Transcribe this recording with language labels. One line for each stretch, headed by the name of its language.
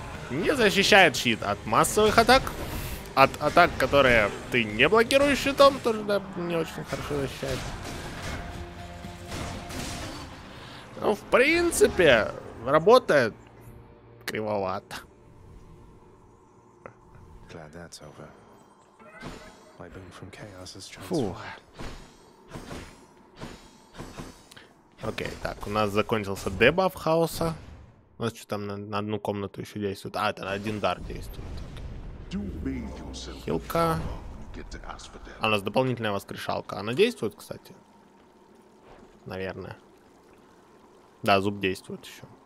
Russian: Не защищает щит от массовых атак. От атак, которые ты не блокируешь щитом, тоже, да, не очень хорошо защищает. Ну, в принципе, работает кривовато.
English: Glad that's over. My boom from chaos is transformed.
Russian: Окей, так, у нас закончился дебаф хаоса. У нас что там на одну комнату еще действует? А, это на один дар действует. Хилка. А у нас дополнительная воскрешалка. Она действует, кстати? Наверное. Да, зуб действует еще.